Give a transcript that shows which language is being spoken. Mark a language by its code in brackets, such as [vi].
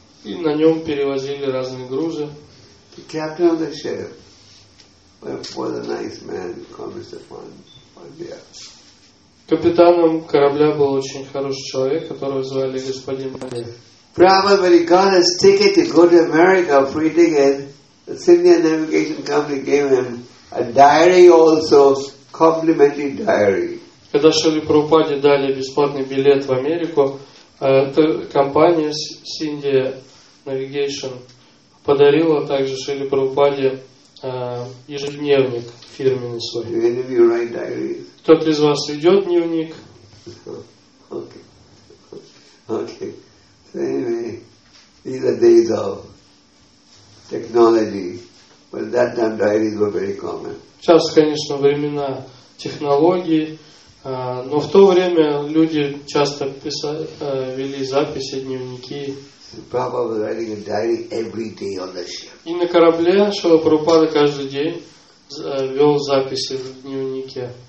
[ru] И на нем перевозили разные грузы. [en] The captain of the ship. What a nice man, Mr. Pandya. [ru] Капитаном корабля был очень хороший человек, которого звали господин Пандья. [en] Prabhupada, when he got his ticket to go to America, a free ticket, the Sydney Navigation Company gave him a diary also, complimentary diary. [ru] Когда Шрила Прабхупаде дали бесплатный билет в Америку, эта компания Sydney Navigation подарила также Шрила Прабхупаде ежедневник фирменный свой. [en] Any of you write diaries? [ru] Кто-то из вас ведет дневник? [en] Okay. So anyway, these are days of technology, but that time diaries were very common. [ru] Сейчас, конечно, времена технологии, Но в то время люди часто писали, вели записи, дневники. И на корабле Шрила Прабхупада каждый день вел записи в дневнике.